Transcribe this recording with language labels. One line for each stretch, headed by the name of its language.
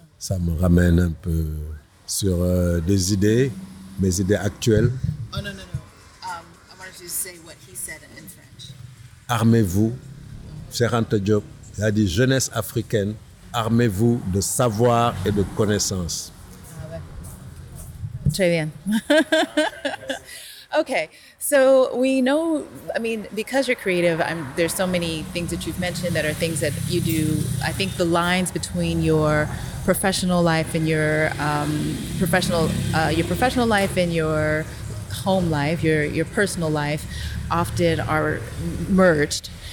French: Ça me ramène un peu sur des idées, mes idées actuelles.
English: Oh, no. I wanted to say what he said in French.
French: Armez-vous, Cheikh Anta Diop. Il a dit jeunesse africaine, armez-vous de savoir et de connaissances. Très bien.
English: Okay, so we know, I mean, because you're creative, there's so many things that you've mentioned that are things that you do. I think the lines between your professional life and your professional life and your home life, your personal life, often are merged.